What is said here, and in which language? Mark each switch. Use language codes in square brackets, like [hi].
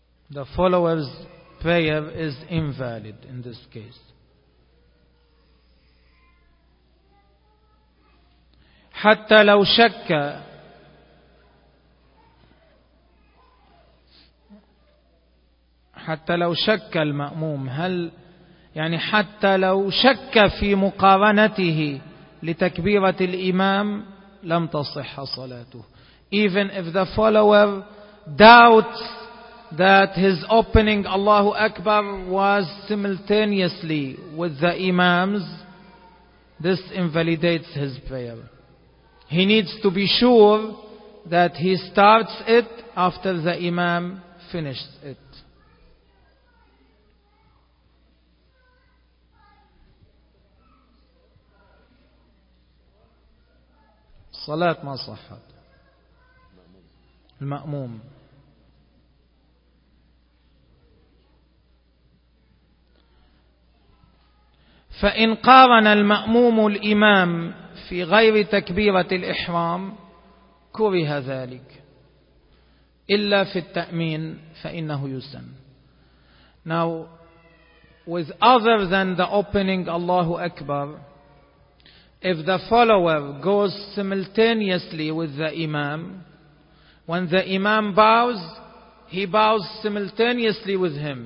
[en] The followers' prayer is invalid in this case. [ar] حتى لو شك حتى لو شك المأموم هل يعني حتى لو شك في مقارنته لتكبيرة الإمام لم تصح صلاته. [en] Even if the follower doubts that his opening Allahu Akbar was simultaneously with the Imam's, this invalidates his prayer. He needs to be sure that he starts it after the Imam finishes it. [ar] صلاة ما صحت المأموم. فإن قارن المأموم الإمام في غير تكبيرة الإحرام كره ذلك إلا في التأمين فإنه يسن. [en] Now with other than the opening Allahu Akbar, if the follower goes simultaneously with the Imam, when the Imam bows, he bows simultaneously with him.